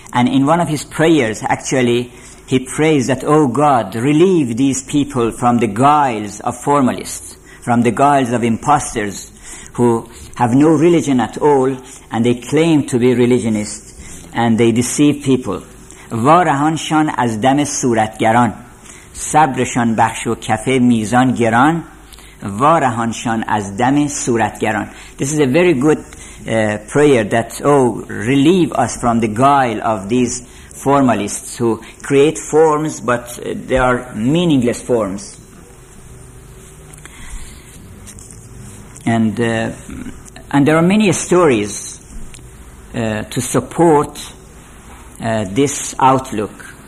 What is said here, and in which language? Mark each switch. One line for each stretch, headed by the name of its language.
English: And in one of his prayers, actually, he prays that, O God, relieve these people from the guiles of formalists, from the guiles of imposters, who have no religion at all, and they claim to be religionists, and they deceive people.
Persian: وارهانشان از دم صورتگران صبرشان بخش و کفه میزان گران وارهانشان از دم صورتگران.
English: This is a very good prayer, that relieve us from the guile of these formalists who create forms, but they are meaningless forms. And there are many stories to support this outlook.